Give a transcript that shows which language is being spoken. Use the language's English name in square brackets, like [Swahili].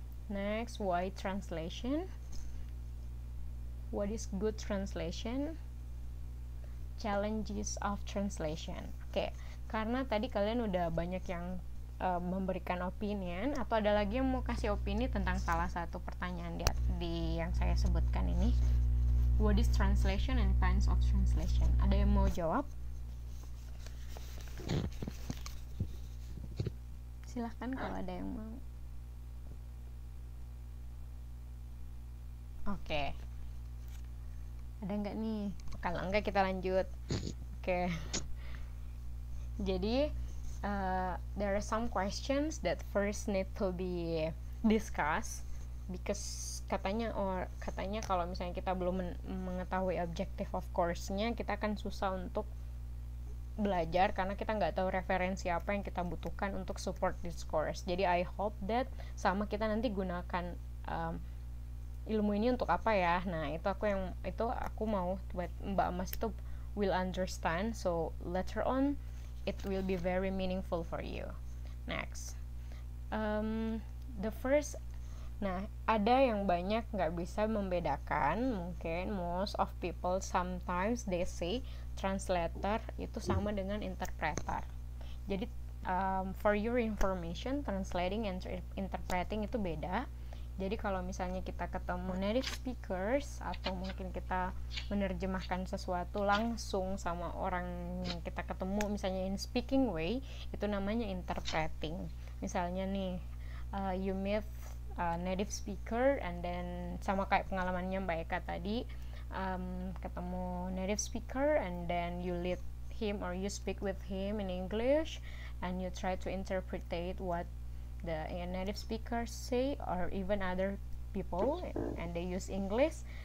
[English] Next, why translation, what is good translation, challenges of translation. [Indonesian] Okay, karena tadi kalian udah banyak yang memberikan opinion, atau ada lagi yang mau kasih opini tentang salah satu pertanyaan di yang saya sebutkan ini. [English] What is translation and kinds of translation? [Indonesian] Ada yang mau jawab? Silahkan kalau ada yang mau. Oke. Okay. Ada nggak nih? Kalau nggak kita lanjut. Oke. Okay. [English] Jadi, there are some questions that first need to be discussed. Because [Indonesian] katanya kalau misalnya kita belum mengetahui [English] objective of course- [Indonesian] nya, kita akan susah untuk belajar karena kita nggak tahu referensi apa yang kita butuhkan untuk [English] support this course. [Indonesian] Jadi [English] I hope that [Indonesian] sama kita nanti gunakan ilmu ini untuk apa ya. Nah, itu aku mau buat Mbak Mas itu [English] will understand, so later on it will be very meaningful for you. Next, the first [Indonesian] Nah, ada yang banyak nggak bisa membedakan. [English] Mungkin most of people sometimes they say translator [Indonesian] itu sama dengan [English] interpreter. Jadi, for your information, translating and interpreting [Indonesian] itu beda. Jadi, kalau misalnya kita ketemu native speakers atau mungkin kita menerjemahkan sesuatu langsung sama orang yang kita ketemu, misalnya [English] in speaking way, [Indonesian] itu namanya interpreting. Misalnya nih, [English] you meet native speaker, and then [Indonesian] sama kayak pengalamannya Mbak Eka tadi, ketemu [English] native speaker, and then you lead him or you speak with him in English, and you try to interpret what the native speaker say, or even other people, and they use English.